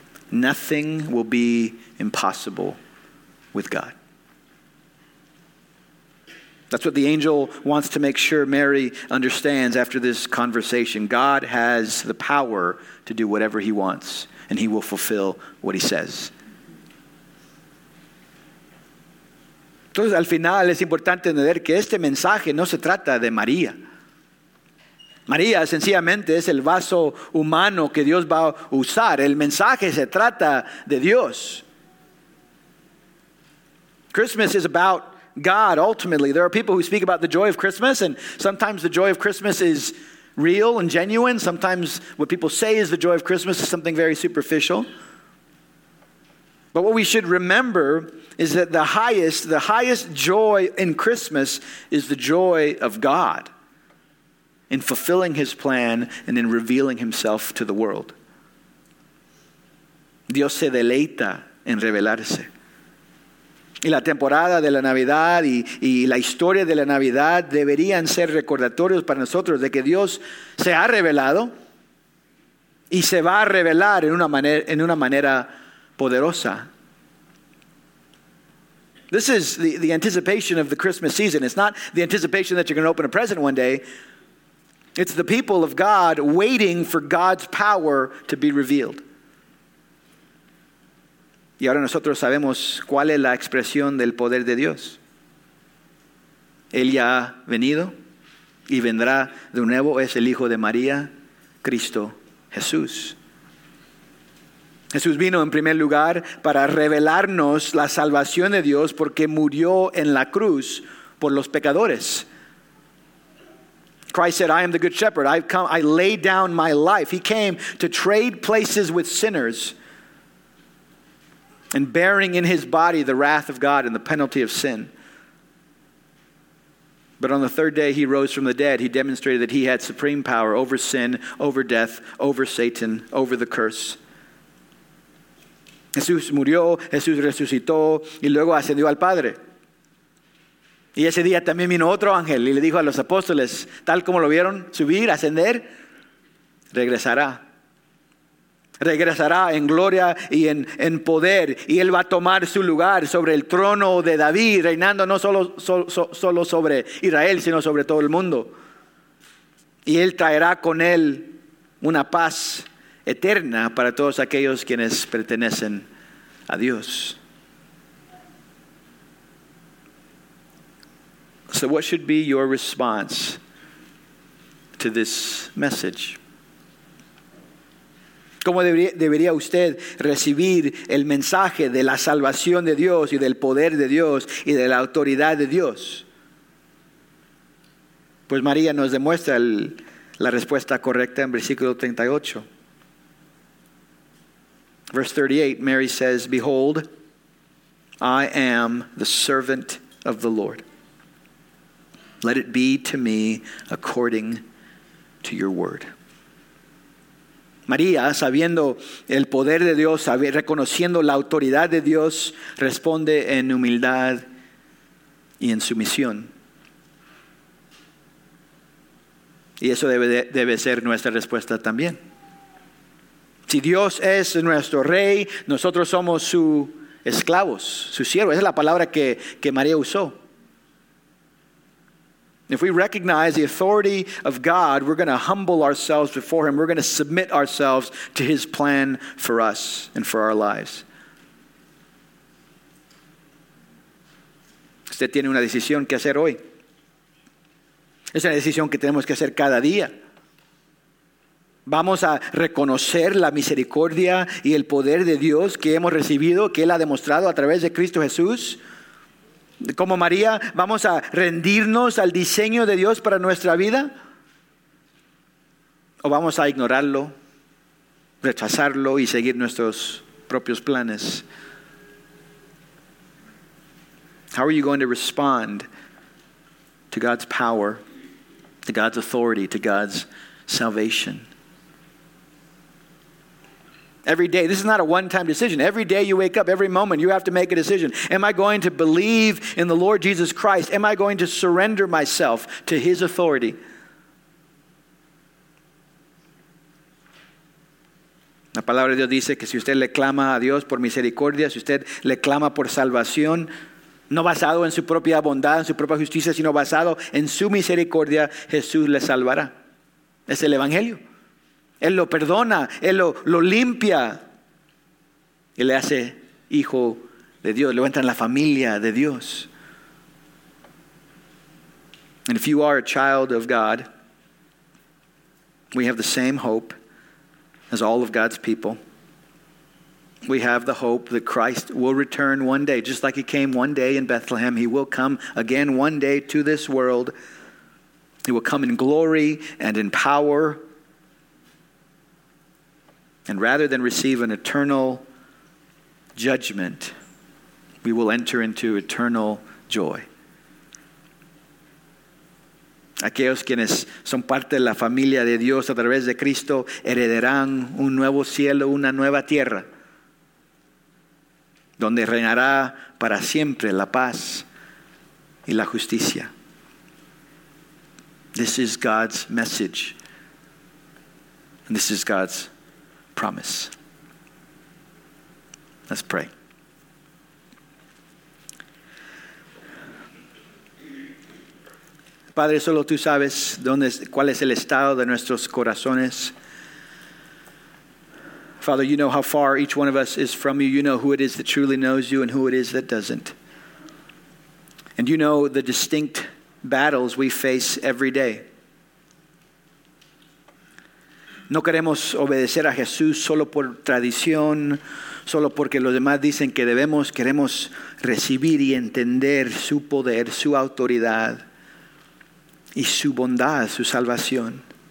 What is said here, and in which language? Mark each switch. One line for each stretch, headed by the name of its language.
English: Nothing will be impossible with God. That's what the angel wants to make sure Mary understands after this conversation. God has the power to do whatever he wants, and he will fulfill what he says.
Spanish: Entonces, al final, es importante entender que este mensaje no se trata de María. María sencillamente es el vaso humano que Dios va a usar. El mensaje se trata de Dios.
English: Christmas is about God ultimately. There are people who speak about the joy of Christmas, and sometimes the joy of Christmas is real and genuine. Sometimes what people say is the joy of Christmas is something very superficial. But what we should remember is that the highest joy in Christmas is the joy of God in fulfilling his plan and in revealing himself to the world.
Spanish: Dios se deleita en revelarse. Y la temporada de la Navidad y la historia de la Navidad deberían ser recordatorios para nosotros de que Dios se ha revelado y se va a revelar en una manera poderosa.
English: This is the anticipation of the Christmas season. It's not the anticipation that you're going to open a present one day. It's the people of God waiting for God's power to be revealed.
Spanish: Y ahora nosotros sabemos cuál es la expresión del poder de Dios. Él ya ha venido y vendrá de nuevo. Es el Hijo de María, Cristo Jesús. Jesús vino en primer lugar para revelarnos la salvación de Dios porque murió en la cruz por los pecadores.
English: Christ said, I am the good shepherd. I've come, I lay down my life. He came to trade places with sinners and bearing in his body the wrath of God and the penalty of sin. But on the third day he rose from the dead. He demonstrated that he had supreme power over sin, over death, over Satan, over the curse.
Spanish: Jesús murió, Jesús resucitó y luego ascendió al Padre. Y ese día también vino otro ángel y le dijo a los apóstoles, tal como lo vieron subir, ascender, regresará. Regresará en gloria y en poder, y él va a tomar su lugar sobre el trono de David, reinando no solo sobre Israel, sino sobre todo el mundo. Y él traerá con él una paz eterna para todos aquellos quienes pertenecen a Dios.
English: So what should be your response to this message?
Spanish: ¿Cómo debería usted recibir el mensaje de la salvación de Dios y del poder de Dios y de la autoridad de Dios? Pues María nos demuestra la respuesta correcta en versículo 38.
English: Verse 38, Mary says, behold, I am the servant of the Lord. Let it be to me according to your word.
Spanish: María, sabiendo el poder de Dios, reconociendo la autoridad de Dios, responde en humildad y en sumisión. Y eso debe ser nuestra respuesta también. Si Dios es nuestro rey, nosotros somos su esclavos, sus siervos. Esa es la palabra que María usó.
English: If we recognize the authority of God, we're going to humble ourselves before Him. We're going to submit ourselves to His plan for us and for our lives.
Spanish: Usted tiene una decisión que hacer hoy. Es una decisión que tenemos que hacer cada día. Vamos a reconocer la misericordia y el poder de Dios que hemos recibido, que Él ha demostrado a través de Cristo Jesús. Como María, vamos a rendirnos al diseño de Dios para nuestra vida. O vamos a ignorarlo, rechazarlo y seguir nuestros propios planes.
English: How are you going to respond to God's power, to God's authority, to God's salvation? Every day, this is not a one-time decision. Every day you wake up, every moment, you have to make a decision. Am I going to believe in the Lord Jesus Christ? Am I going to surrender myself to His authority?
Spanish: La palabra de Dios dice que si usted le clama a Dios por misericordia, si usted le clama por salvación, no basado en su propia bondad, en su propia justicia, sino basado en su misericordia, Jesús le salvará. Es el Evangelio. Él lo perdona, Él lo limpia y le hace hijo de Dios, le entra en la familia de Dios.
English: And if you are a child of God, we have the same hope as all of God's people. We have the hope that Christ will return one day, just like He came one day in Bethlehem. He will come again one day to this world. He will come in glory and in power. And rather than receive an eternal judgment, we will enter into eternal joy.
Spanish: Aquellos quienes son parte de la familia de Dios a través de Cristo heredarán un nuevo cielo, una nueva tierra, donde reinará para siempre la paz y la justicia.
English: This is God's message. And this is God's promise. Let's pray.
Spanish: Padre, solo tú sabes dónde, cuál es el estado de nuestros corazones.
English: Father, you know how far each one of us is from you. You know who it is that truly knows you and who it is that doesn't. And you know the distinct battles we face every day.
Spanish: No queremos obedecer a Jesús solo por tradición, solo porque los demás dicen que debemos. Queremos recibir y entender su poder, su autoridad y su bondad, su salvación.